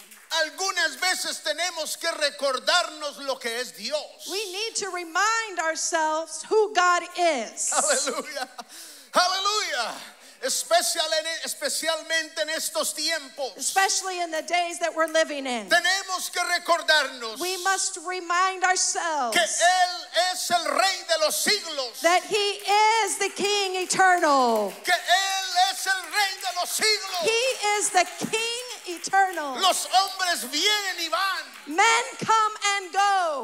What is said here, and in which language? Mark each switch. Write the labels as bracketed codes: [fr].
[es] Algunas veces tenemos que recordarnos lo que es Dios. [en] We need to remind ourselves who God is. [es] Aleluya. Aleluya. Especialmente en estos tiempos. [en] Especially in the days that we're living in. [es] Tenemos que recordarnos. [en] We must remind ourselves. [es] Que Él es el Rey de los siglos. [en] That He is the King eternal. [es] Que Él es el Rey de los siglos. [en] He is the King eternal. [es] Los hombres vienen y van. [en] Men come and go.